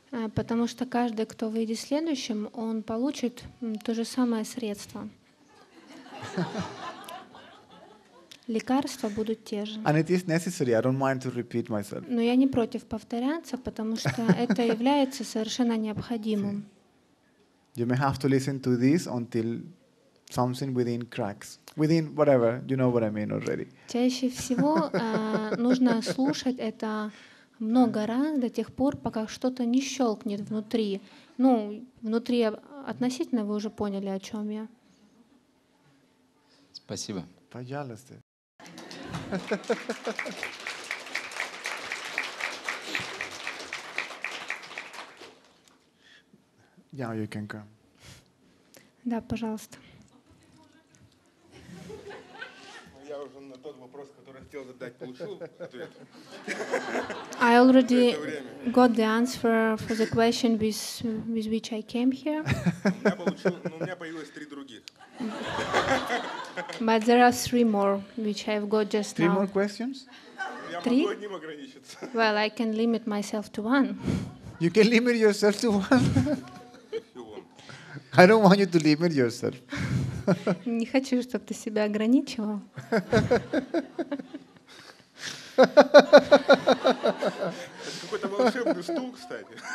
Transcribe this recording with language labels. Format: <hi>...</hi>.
<ru>Потому что каждый, кто выйдет следующим, он получит то же самое средство. Лекарства будут те же.</ru> <en>And it is necessary. I don't mind to repeat myself.</en> <ru>Но я не против повторяться, потому что это является совершенно необходимым.</ru> <en>You may have to listen to this until something within cracks. Within whatever, you know what I mean already.</en> <ru>Чаще всего нужно слушать это много раз до тех пор, пока что-то не щелкнет внутри. Ну, внутри относительно вы уже поняли, о чем я. Спасибо. Пожалуйста.</ru> <en>Yeah, you can come.</en> <ru>Да, пожалуйста. Я уже на тот вопрос, который хотел задать, получил ответ.</ru> <en>I already got the answer for the question with which I came here.</en> <ru>У меня появилось три других.</ru> <en>But there are three more, which I've got just now. Three more questions?</en> <ru>Я могу одним ограничиться.</ru> <en>Well, I can limit myself to one. You can limit yourself to one? If you want. I don't want you to limit yourself.</en> <ru>Не хочу, чтобы ты себя ограничивал. Это какой-то волшебный стул, кстати.</ru>